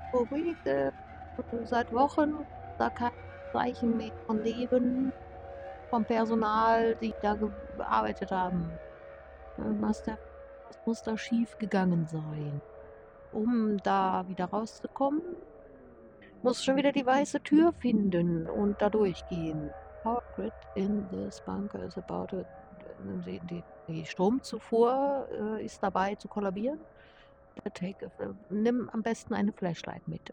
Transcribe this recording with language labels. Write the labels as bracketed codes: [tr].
[de] Berichte seit Wochen da kein Zeichen mehr von Leben vom Personal, die da gearbeitet haben. Was muss da schief gegangen sein? Um da wieder rauszukommen, muss schon wieder die weiße Tür finden und da durchgehen. [en] Power grid in this bunker is about it. [de] Die Stromzufuhr ist dabei zu kollabieren. Nimm am besten eine Flashlight mit.